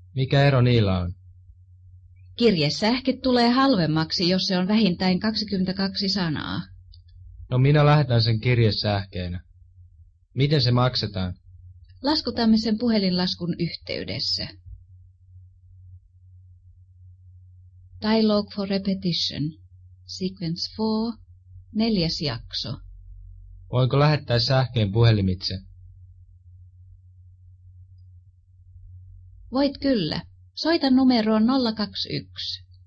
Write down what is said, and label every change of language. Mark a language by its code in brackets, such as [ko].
[fi] Mikä ero niillä on? Kirjesähke tulee halvemmaksi, jos se on vähintään 22 sanaa. No minä lähetän sen kirjesähkeenä. Miten se maksetaan? Laskutamme sen puhelinlaskun yhteydessä. [en] Dialogue for repetition. Sequence 4. [fi] 4. jakso. Voinko lähettää sähkeen puhelimitse? Voit kyllä. Soita numeroon 021.